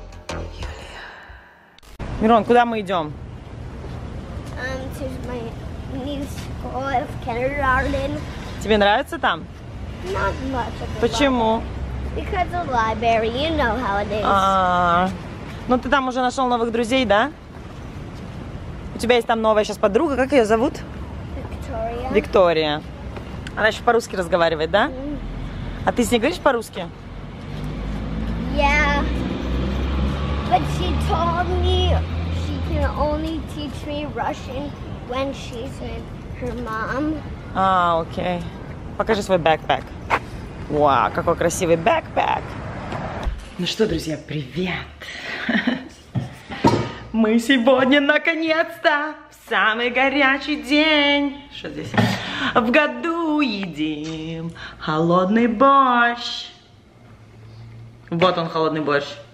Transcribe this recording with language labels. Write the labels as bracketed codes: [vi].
[ru] Юлия. Мирон, куда мы идем? [en] To my new school of kindergarten. [ru] Тебе нравится там? [en] Not much of [ru] a Почему? [en] Library. Because the library, you know how it is. [ru] Ну ты там уже нашел новых друзей, да? У тебя есть там новая сейчас подруга, как ее зовут? Виктория. Виктория. Она еще по-русски разговаривает, да? А ты с ней говоришь по-русски? [en] Yeah. But she told me she can only teach me Russian when she's with her mom. [ru] Окей. Покажи свой бэкпэк. Вау, какой красивый бэкпэк. Ну что, друзья, привет. Мы сегодня наконец-то в самый горячий день. Что здесь? В году едим холодный борщ. Вот он, холодный борщ.